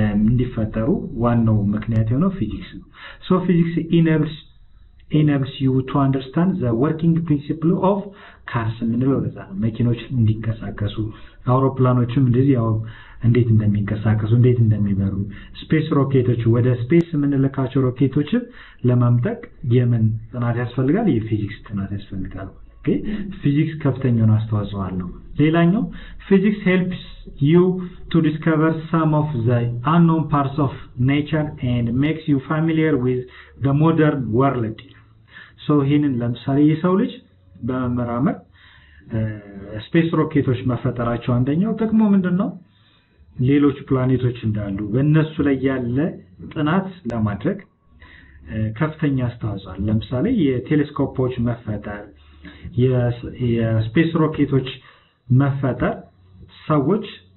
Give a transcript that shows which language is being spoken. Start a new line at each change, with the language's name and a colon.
Amharic: እንዲፈጠሩ ዋናው ምክንያት የሆነው ፊዚክስ ነው። ሶ ፊዚክስ
English: enables you to understand the working principle of cars
Amharic: ምንድነው? ለዛ መኪኖች እንዲንቀሳቀሱ አውሮፕላኖችም እንደዚህ ያው እንዴት እንደሚንቀሳቀሱ እንዴት እንደሚበሩ ስፔስ ሮኬቶች ወደ ስፔስ ምንልካቸው ሮኬቶች ለማምጠቅ የምን ጥናት ያስፈልጋል? የፊዚክስ ጥናት ያስፈልጋል። ኦኬ ፊዚክስ ከፍተኛውን አስተዋጽኦ አለው። ሌላኛው ፊዚክስ
English: helps you to discover some of the unknown parts of nature and makes you familiar with the modern world.
Amharic: So ይህንን ለምሳሌ የሰው ልጅ በመመራመር ስፔስ ሮኬቶች መፈጠራቸው አንደኛው ጥቅሙ ምንድነው? ሌሎች ፕላኔቶች እንዳሉ በእነሱ ላይ ያለ ጥናት ለማድረግ ከፍተኛ አስተዋጽኦ አለ። ለምሳሌ የቴሌስኮፖች መፈጠር የስፔስ ሮኬቶች መፈጠር ሰዎች